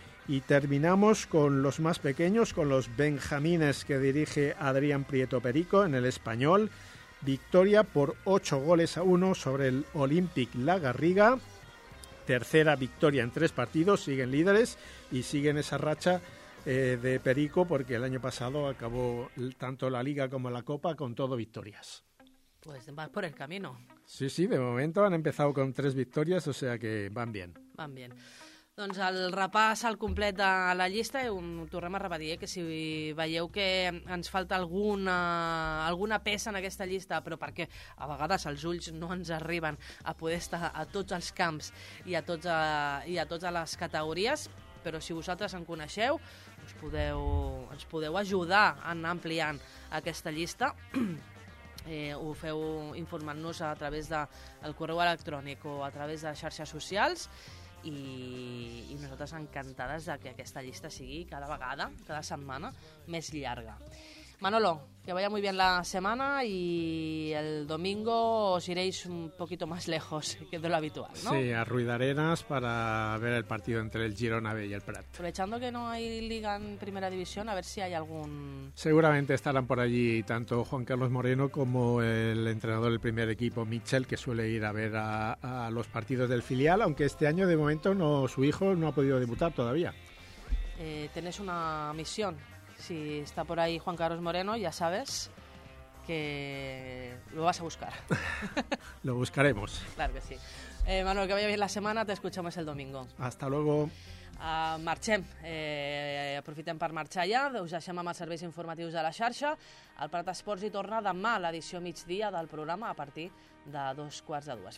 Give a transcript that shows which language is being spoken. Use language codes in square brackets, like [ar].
[es] Y terminamos con los más pequeños, con los benjamines, que dirige Adrián Prieto Perico en el Español, victoria por 8-1 sobre el Olympic La Garriga, tercera victoria en tres partidos, siguen líderes y siguen esa racha de Perico, porque el año pasado acabó tanto la Liga como la Copa con todo victorias. Pues vas por el camino. Sí, sí, de momento han empezado con tres victorias, o sea que van bien. Van bien. [ca] Doncs el repàs al complet de la llista, ho tornem a repetir, que si veieu que ens falta alguna peça en aquesta llista, però perquè a vegades els ulls no ens arriben a poder estar a tots els camps i a totes les categories, però si vosaltres en coneixeu, ens podeu ajudar en ampliant aquesta llista. Ho feu informant-nos a través del correu electrònic o a través de xarxes socials. I nosaltres encantades de que aquesta llista sigui cada vegada, cada setmana, més llarga. [es] Manolo, que vaya muy bien la semana y el domingo os iréis un poquito más lejos que de lo habitual, ¿no? Sí, a Ruidarenas para ver el partido entre el Girona B y el Prat. Aprovechando que no hay liga en primera división, a ver si hay algún... Seguramente estarán por allí tanto Juan Carlos Moreno como el entrenador del primer equipo, Michel, que suele ir a ver a los partidos del filial, aunque este año de momento no, su hijo no ha podido debutar todavía. Tenés una misión. Si está por ahí Juan Carlos Moreno, ya sabes que lo vas a buscar. Lo buscaremos. Claro que sí. Manuel, que vaya bien la semana, te escuchamos el domingo. Hasta luego. [ca] Marxem, aprofitem per marxar ja, us deixem amb els serveis informatius de la xarxa. El Prat Esports hi torna demà a l'edició migdia del programa a partir de 2:15.